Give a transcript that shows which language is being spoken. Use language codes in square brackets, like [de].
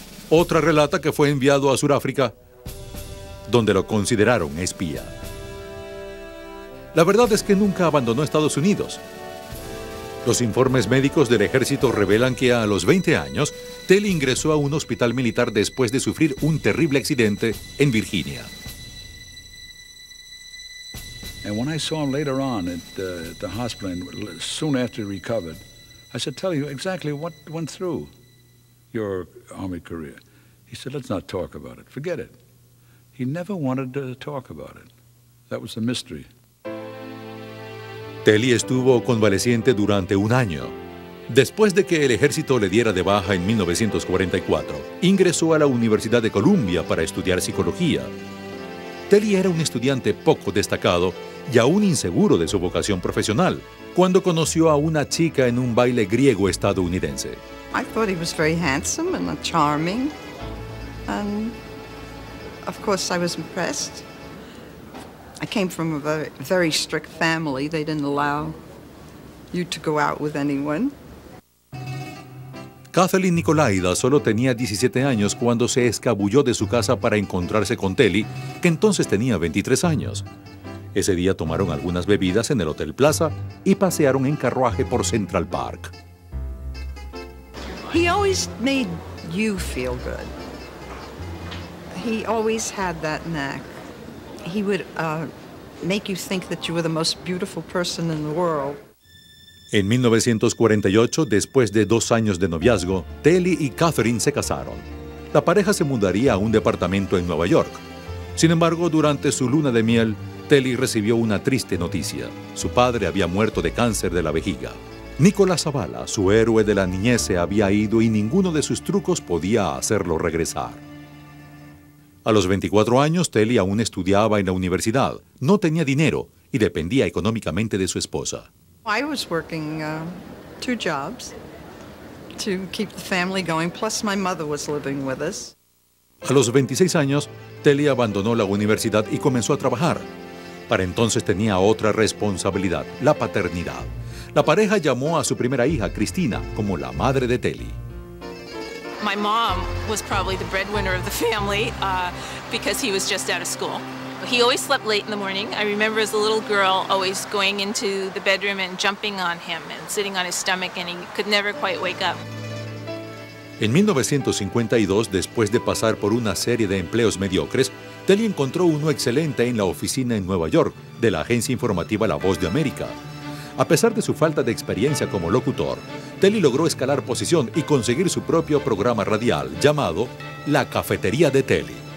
[es] Otra relata que fue enviado a Sudáfrica, donde lo consideraron espía. La verdad es que nunca abandonó Estados Unidos. Los informes médicos del ejército revelan que a los 20 años, Telly ingresó a un hospital militar después de sufrir un terrible accidente en Virginia. [en] And when I saw him later on at the hospital, and soon after he recovered, I said, "Tell you exactly what went through your army career." He said, "Let's not talk about it. Forget it." He never wanted to talk about it. That was the mystery. [es] Telly estuvo convaleciente durante un año. Después de que el ejército le diera de baja en 1944, ingresó a la Universidad de Columbia para estudiar psicología. Telly era un estudiante poco destacado y aún inseguro de su vocación profesional cuando conoció a una chica en un baile griego estadounidense. [en] I thought he was very handsome and charming, and of course I was impressed. I came from a very strict family; they didn't allow you to go out with anyone. [es] Kathleen Nikolaida solo tenía 17 años cuando se escabulló de su casa para encontrarse con Telly, que entonces tenía 23 años. Ese día tomaron algunas bebidas en el Hotel Plaza y pasearon en carruaje por Central Park. [en] He always made you feel good. He always had that knack. He would make you think that you were the most beautiful person in the world. [es] En 1948, después de 2 años de noviazgo, Telly y Catherine se casaron. La pareja se mudaría a un departamento en Nueva York. Sin embargo, durante su luna de miel, Telly recibió una triste noticia. Su padre había muerto de cáncer de la vejiga. Nicolás Zavala, su héroe de la niñez, se había ido y ninguno de sus trucos podía hacerlo regresar. A los 24 años, Telly aún estudiaba en la universidad. No tenía dinero y dependía económicamente de su esposa. [en] I was working two jobs to keep the family going, plus my mother was living with us. [es] A los 26 años, Telly abandonó la universidad y comenzó a trabajar. Para entonces tenía otra responsabilidad, la paternidad. La pareja llamó a su primera hija, Cristina, como la madre de Telly. [en] My mom was probably the breadwinner of the family because he was just out of school. He always slept late in the morning. I remember as a little girl always going into the bedroom and jumping on him and sitting on his stomach, and he could never quite wake up. [es] En 1952, después de pasar por una serie de empleos mediocres, Telly encontró uno excelente en la oficina en Nueva York de la agencia informativa La Voz de América. A pesar de su falta de experiencia como locutor, Telly logró escalar posición y conseguir su propio programa radial llamado La Cafetería de Telly.